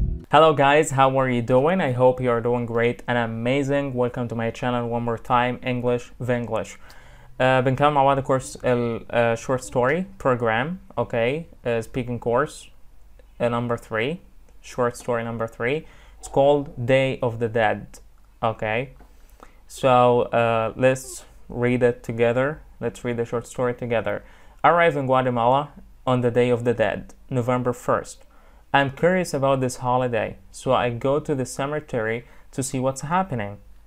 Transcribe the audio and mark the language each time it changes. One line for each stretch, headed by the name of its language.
English: Hello guys, how are you doing? I hope you are doing great and amazing. Welcome to my channel one more time, English Vinglish.
Arabic: بنكمل مع بعض كورس ال
English: short story program, okay? Speaking course number 3, short story number 3. It's called Day of the Dead, okay? So let's read it together. Let's read the short story together. Arrive in Guatemala on the Day of the Dead, November 1st. I'm curious about this holiday, so I go to the cemetery to see what's happening.